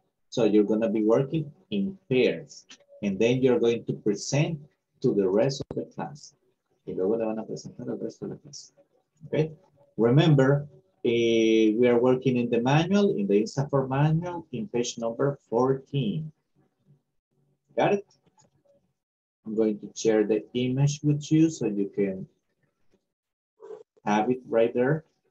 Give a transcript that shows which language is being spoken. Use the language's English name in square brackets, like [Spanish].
[English] So you're going to be working in pairs and then you're going to present to the rest of the class. [Spanish] Y luego le van a presentar al resto de la clase. [English] Okay? Remember, we are working in the manual, in the INSAFORP manual, in page number 14. Got it? I'm going to share the image with you so you can have it right there.